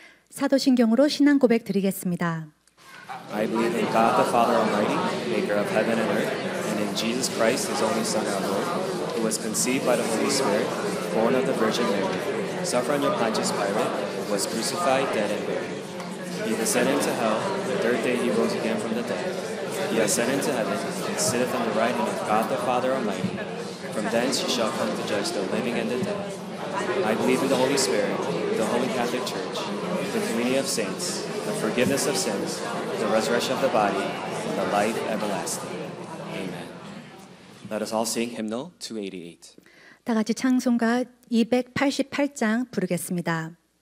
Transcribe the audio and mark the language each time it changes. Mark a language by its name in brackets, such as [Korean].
[Korean] 사도신경으로 신앙 고백 드리겠습니다. [English] I believe in God the Father Almighty, maker of heaven and earth, and in Jesus Christ, his only Son, our Lord, who was conceived by the Holy Spirit, born of the Virgin Mary, suffered under Pontius Pilate, was crucified, dead, and buried. He descended into hell, the third day he rose again from the dead. He ascended into heaven, and sitteth on the right hand of God the Father Almighty. From thence he shall come to judge the living and the dead. I believe in the Holy Spirit, the Holy Catholic Church, the communion of saints, the forgiveness of sins, the resurrection of the body, and the life everlasting. Amen. Let us all sing hymnal 288. [Korean] 다 같이 찬송가 288장 부르겠습니다.